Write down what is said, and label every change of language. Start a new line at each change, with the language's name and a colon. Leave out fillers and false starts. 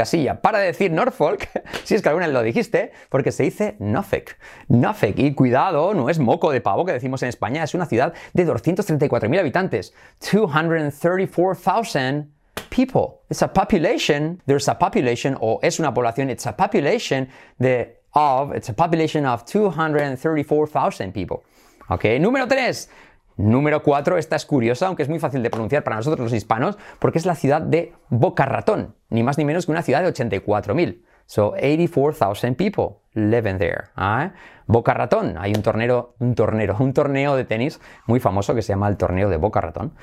Spanish: Así ya, para decir Norfolk, si es que alguna vez lo dijiste, porque se dice Norfolk. Norfolk. Y cuidado, no es moco de pavo que decimos en España, es una ciudad de 234.000 habitantes.
English: 234.000 people. It's a population. There's a population,
Spanish: o es una población.
English: It's a population of. It's a population of 234.000 people.
Spanish: Ok, número 3. Número 4, esta es curiosa, aunque es muy fácil de pronunciar para nosotros los hispanos, porque es la ciudad de Boca Ratón, ni más ni menos que una ciudad de 84.000.
English: So, 84.000 people living there. ¿Eh?
Spanish: Boca Ratón, hay un torneo de tenis muy famoso que se llama el torneo de Boca Ratón.